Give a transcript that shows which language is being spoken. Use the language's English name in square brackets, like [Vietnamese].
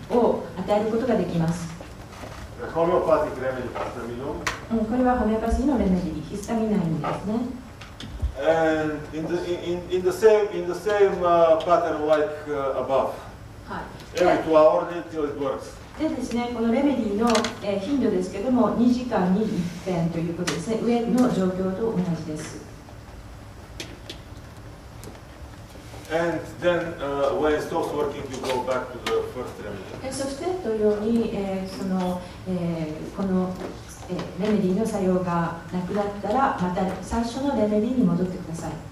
[Japanese] を与えることができます。ホメオパティックレメディ、ヒスタミノン。うん、これはホメオパシーのレメディ、ヒスタミナインですね。 [English] And in the same pattern like above. [Japanese] はい。 [English] Every 2 hours until it works. [Japanese] でですね、このレメディの頻度ですけども2時間に1遍ということですね、上の状況と同じです。 [English] And then, when it stops working, you go back to the first remedy. [Japanese] そして同様に、その、このレメディの作用がなくなったらまた最初のレメディに戻ってください。